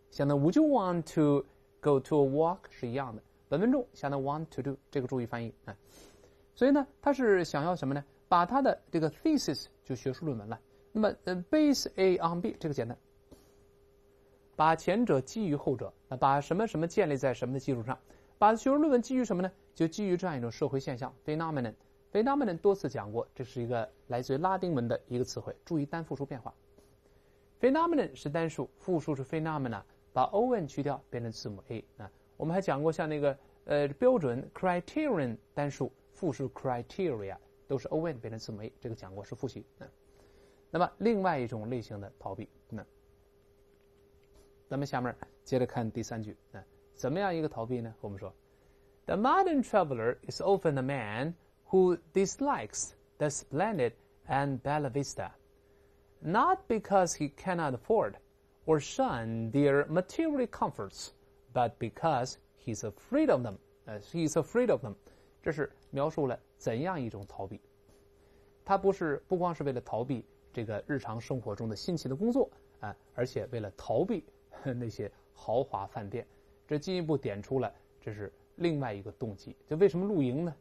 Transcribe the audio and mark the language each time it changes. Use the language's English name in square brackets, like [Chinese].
[Chinese] 相当于 [English] Would you want to go to a walk？ [Chinese] 是一样的。本文中相当于 want to do， 这个注意翻译。所以呢，他是想要什么呢？把他的这个 thesis 就学术论文了。那么base A on B 这个简单，把前者基于后者，把什么什么建立在什么的基础上，把学术论文基于什么呢？就基于这样一种社会现象 phenomenon。phenomenon 多次讲过，这是一个来自于拉丁文的一个词汇，注意单复数变化。 phenomenon 是单数，复数是 phenomena， 把 on 去掉变成字母 A。我们还讲过像那个标准 criterion 单数。复数 criteria 都是 on 变成字母 a， 这个讲过是复习。那么另外一种类型的逃避，咱们下面接着看第三句。怎么样一个逃避呢？我们说 [English] The modern traveler is often a man who dislikes the splendid and Bella Vista not because he cannot afford or shun their material comforts but because he's afraid of them he's afraid of them。 [Chinese] 这是描述了怎样一种逃避，他不光是为了逃避这个日常生活中的辛勤的工作啊，而且为了逃避那些豪华饭店，这进一步点出了这是另外一个动机。就为什么露营呢？